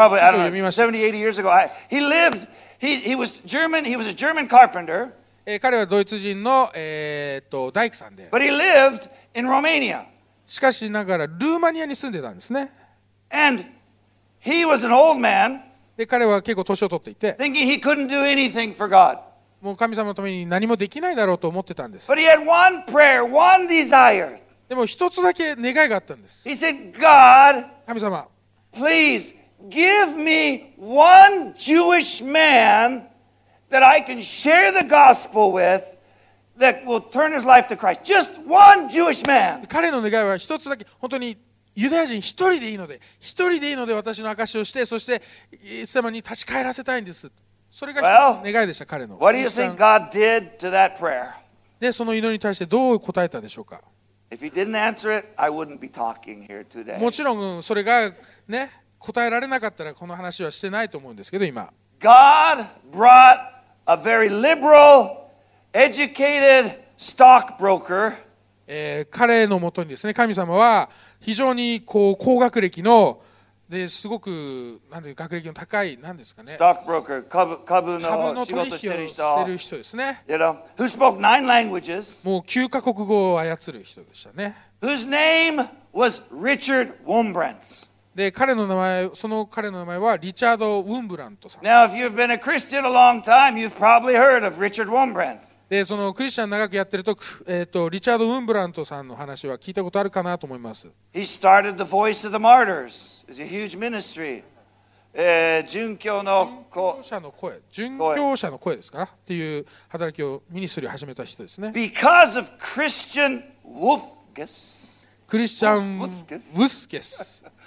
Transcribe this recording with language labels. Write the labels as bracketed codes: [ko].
[en] Probably, I don't know, 70, 80 years ago. He was a German carpenter. [ja] 彼はドイツ人の、大工さんで。 [en] But he lived in Romania. [ja] しかしながらルーマニアに住んでたんですね。 [en] And he was an old man. [ja] で彼は結構年を取っていて。 [en] Thinking he couldn't do anything for God. [ja] もう神様のために何もできないだろうと思ってたんです。 [en] But he had one prayer, one desire. [ja] でも一つだけ願いがあったんです。 [en] He said, God, [ja] 神様、 [en] please give me one Jewish man. That I can share the gospel with, that will turn his life to Christ. Just one Jewish man. [ja] 彼の願いは一つだけ、本当にユダヤ人一人でいいので、一人でいいので私の証をして、そしてイエス様に立ち返らせたいんです。それが願いでした彼の。 [en] What do you think God did to that prayer? [ja] で、その祈りに対してどう答えたでしょうか。 [en] If he didn't answer it, I wouldn't be talking here today. [ja] もちろんそれがね、答えられなかったらこの話はしてないと思うんですけど、今。 [en] God brought a very liberal, educated stockbroker. [ja] 彼のもとにですね、神様は非常にこう高学歴の、ですごくなんていう学歴の高い、なんですかね。 Stockbroker, 株の仕事してる人ですね。 [en] You know, who spoke nine languages. [ja] もう9カ国語を操る人でしたね。 [en] Whose name was Richard Wurmbrand. [ja] で彼の名前、その彼の名前はリチャード・ウォンブラントさん。 [en] Now, if you've been a Christian a long time, you've probably heard of Richard Wurmbrand. [ja] で、そのクリスチャン長くやってると、リチャード・ウォンブラントさんの話は聞いたことあるかなと思います。 [en] He started the Voice of the Martyrs. It's a huge ministry. [ja] 殉教の声。殉教者の声ですかっていう働きを、ミニストリーを始めた人ですね。 [en] Because of Christian Wolfskes. [ja] クリスチャン・ウォスケス。